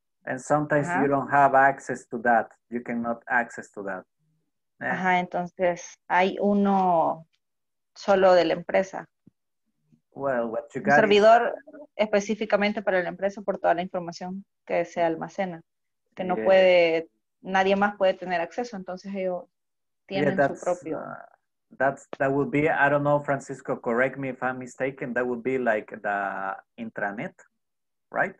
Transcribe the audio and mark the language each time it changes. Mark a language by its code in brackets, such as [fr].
[en] And sometimes uh-huh. You don't have access to that. You cannot access to that. Yeah. [es] Ajá, entonces hay uno solo de la empresa. [en] Well, what you got. [es] Un servidor específicamente para la empresa por toda la información que se almacena. Que no puede, nadie más puede tener acceso. Entonces ellos tienen su propio. [en] That would be, I don't know, Francisco, correct me if I'm mistaken, that would be like the intranet, right?